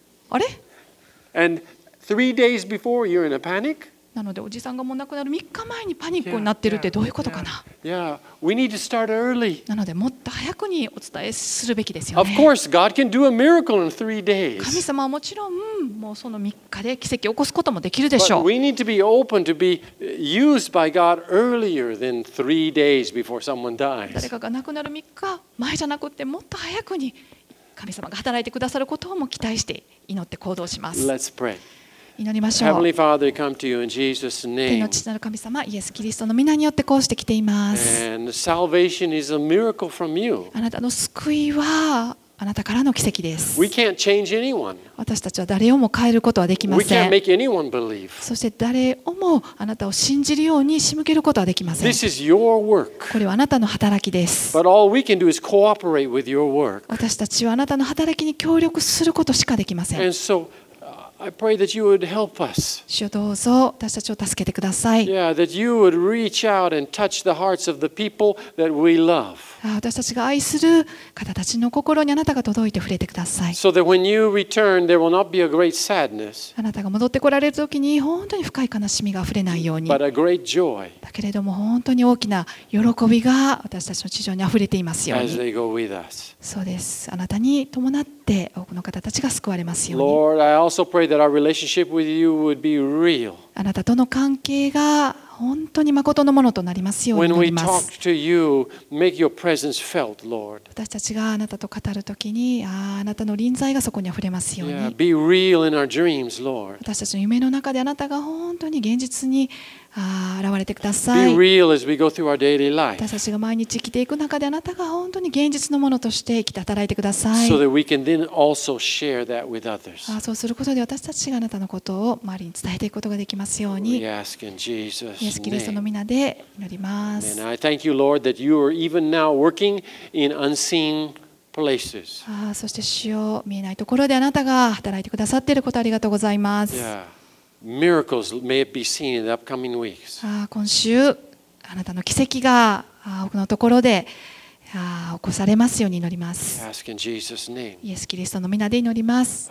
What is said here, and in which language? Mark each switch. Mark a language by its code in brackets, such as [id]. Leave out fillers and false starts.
[en] あれ？ And 3 days before, you're in a panic. [ja] なのでおじさんがもう亡くなる3日前にパニックになってるってどういうことかな。 [en] yeah, we need to start early. [ja] なのでもっと早くにお伝えするべきですよね。 [en] Of course, God can do a miracle in three days. [ja] 神様はもちろんもうその3日で奇跡を起こすこともできるでしょう。 [en] But we need to be open to be used by God earlier than three days before someone dies. [ja] 誰かが亡くなる3日前じゃなくてもっと早くに神様が働いてくださることをも期待して祈って行動します。 [en] Let's pray. [ja] 祈りましょう。 [en] Heavenly Father, come to you in Jesus' name. [ja] 天の父なる神様、イエス・キリストの御名によってこうしてきています。 [en] And salvation is a miracle from you. [ja] あなたの救いはあなたからの奇跡です。 [en] We can't change anyone. [ja] 私たちは誰をも変えることはできません。 [en] We can't make anyone believe. [ja] そして誰をもあなたを信じるように仕向けることはできません。 [en] This is your work. [ja] これはあなたの働きです。 [en] But all we can do is cooperate with your work. [ja] 私たちはあなたの働きに協力することしかできません。 [en] And so,I pray that you would help us. [ja] 主よ、どうぞ私たちを助けてください。 [en] Yeah, that you would reach out and touch the hearts of the people that we love. [ja] 私たちが愛する方たちの心にあなたが届いて触れてください。 [en] So that when you return, there will not be a great sadness. [ja] あなたが戻ってこられるときに本当に深い悲しみが溢れないように。 [en] But a great joy. [ja] だけれども本当に大きな喜びが私たちの地上に溢れていますように。 [en] As they go with us. [ja] そうです。あなたに伴って多くの方たちが救われますように。 [en] Lord, I also pray. That our relationship with you would be real. [ja] あなたとの関係が本当に誠のものとなりますように。 [en] When we talk to you, make your presence felt, Lord. [ja] 私たちがあなたと語るときに、あなたの臨在がそこに溢れますように。 [en] Yeah, be real in our dreams, Lord. [ja] 私たちの夢の中であなたが本当に現実に現れてください。 [en] Be real as we go through our daily life. [ja] 私たちが毎日生きていく中であなたが本当に現実のものとして生きて働いてください。 [en] So that we can then also share that with others. [ja] そうすることで私たちがあなたのことを周りに伝えていくことができますように。 [en] We ask in Jesus' [ja] name. イエス・キリストの御名で祈ります。 [en] And I thank you, Lord, that you are even now working in unseen places. [ja] そして主よ、見えないところであなたが働いてくださっていることありがとうございます。 [en] Yeah. Miracles may be seen in the upcoming weeks. [ja] 今週あなたの奇跡が多くのところで起こされますように祈ります。 [en] Ask in Jesus' name. [ja] イエス・キリストの御名で祈ります。